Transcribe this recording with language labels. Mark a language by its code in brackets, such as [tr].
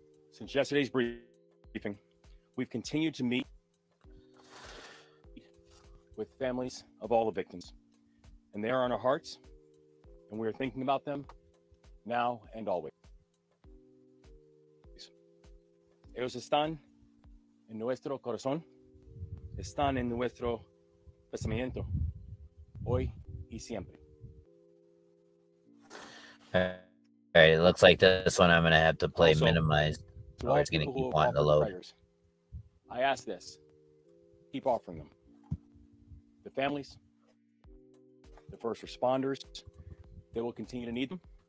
[en] Since yesterday's briefing, we've continued to meet with families of all the victims, and they are on our hearts, and we are thinking about them now and always. [es] Ellos están en nuestro corazón, están en nuestro pensamiento, hoy y siempre. [en] All right, it looks like this one I'm going to have to play also, minimized. So it's going to keep wanting to load. Prayers. I ask this, keep offering them. The families, the first responders, they will continue to need them.